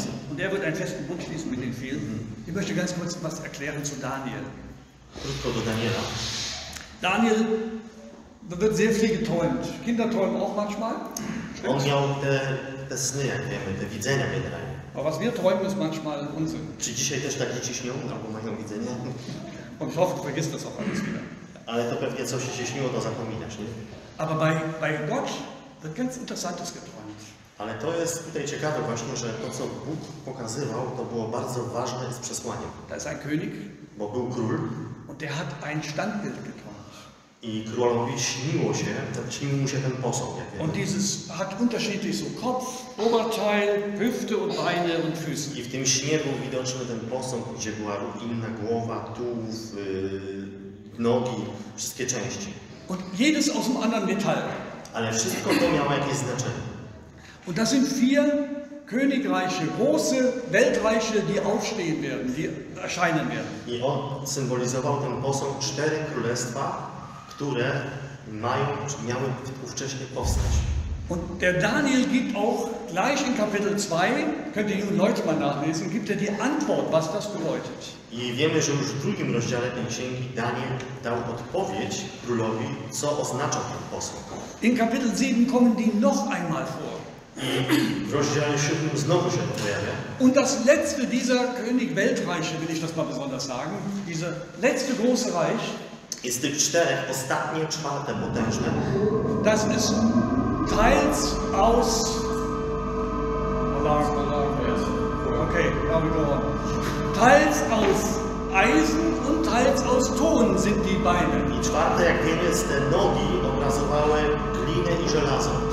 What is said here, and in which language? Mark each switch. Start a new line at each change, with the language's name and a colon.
German: Und er wird einen festen Bund schließen mit den vielen. Ich möchte ganz kurz was erklären zu Daniel.
Polish: Krótko do Daniela.
German: Daniel... Da wird sehr viel geträumt. Kinder träumen auch manchmal.
Polish: On miał te sny, jak wiemy, te widzenia generalnie.
German: Aber was wir träumen, ist manchmal Unsinn.
Polish: Czy dzisiaj też tak dzieci śnią, albo mają widzenia?
German: Und ich hoffe, du vergisst das auch alles wieder.
Polish: Ale to pewnie coś się śniło, to zapominasz, nie?
German: Aber bei Gott wird ganz interessantes geträumt.
Polish: Ale to jest tutaj ciekawe właśnie, że to, co Bóg pokazywał, to było bardzo ważne z przesłaniem.
German: Da ist ein König.
Polish: Bo był król.
German: Und der hat ein Standbild geträumt.
Polish: I królowi śniło się, śnił mu się ten posąg. Jak
German: und dieses hat unterschiedlich so Kopf, Oberteil, Hüfte und Beine und Füße.
Polish: I w tym śnie był widoczny ten posąg, gdzie była inna głowa, tułów, nogi, wszystkie części.
German: Und jedes aus einem anderen Metall.
Polish: Ale wszystko to miało jakieś znaczenie.
German: Und das sind vier Königreiche, große Weltreiche, die aufstehen werden, die erscheinen werden.
Polish: I on symbolizował ten posąg cztery królestwa, które miały ówcześnie powstać.
German: Und der Daniel gibt auch gleich in Kapitel 2, könnt ihr nun Leute mal nachlesen, gibt er die Antwort, was das bedeutet.
Polish: I wiemy, że już w drugim rozdziale tej księgi Daniel dał odpowiedź królowi, co oznacza ten posąg.
German: In Kapitel 7 kommen die noch einmal vor.
Polish: I w rozdziale 7 znowu się to pojawia.
German: Und das letzte dieser König Weltreiche, will ich das mal besonders sagen, diese letzte große Reich.
Polish: Jest tych czterech, ostatnie, czwarte, potężne.
German: Das ist teils aus.
English: Okay, now we go on.
German: Teils aus Eisen und teils aus Ton sind die Beine.
Polish: I czwarte, jak wiemy, z te nogi obrazowały glinę i żelazo.